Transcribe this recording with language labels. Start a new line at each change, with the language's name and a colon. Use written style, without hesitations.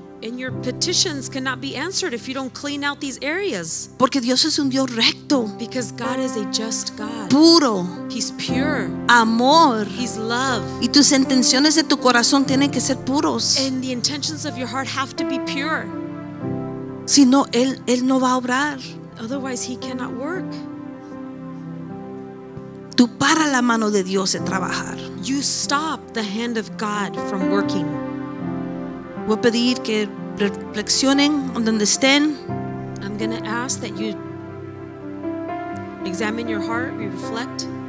English: and your petitions cannot be answered if you don't clean out these areas.
Spanish: Porque Dios es un Dios recto.
English: Because God is a just God.
Spanish: Puro.
English: He's pure.
Spanish: Amor.
English: He's love.
Spanish: Y tus intenciones de tu corazón tienen que ser puros.
English: And the intentions of your heart have to be pure.
Spanish: Si no, él no va a obrar.
English: Otherwise, he cannot work.
Spanish: Tú para la mano de Dios de trabajar.
English: You stop the hand of God from working.
Spanish: Voy a pedir que reflexionen donde estén.
English: I'm going to ask that you examine your heart, reflect.